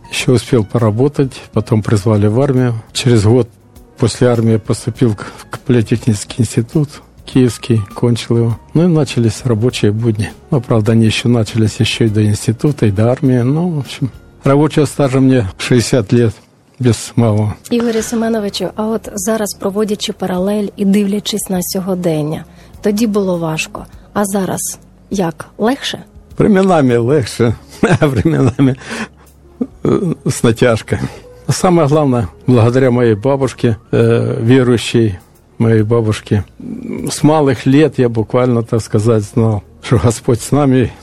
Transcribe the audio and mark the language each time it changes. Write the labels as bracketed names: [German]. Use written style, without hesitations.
[Russian] Еще успел поработать, потом призвали в армию. Через год после армии поступил в политехнический институт киевский, кончил его. Ну и начались рабочие будни. Ну, правда, они еще начались еще и до института, и до армии. Ну, в общем, рабочего стажа мне 60 лет без малого. [Ukrainian] Ігорю Семеновичу, а от зараз, проводячи паралель і дивлячись на сьогодення, тоді було важко, а зараз як? Легше? [Russian] Временами легше, а временами с натяжкой. Самое главное, благодаря моей бабушке, верующей моей бабушке, с малых лет я буквально, так сказать, знал, что Господь с нами.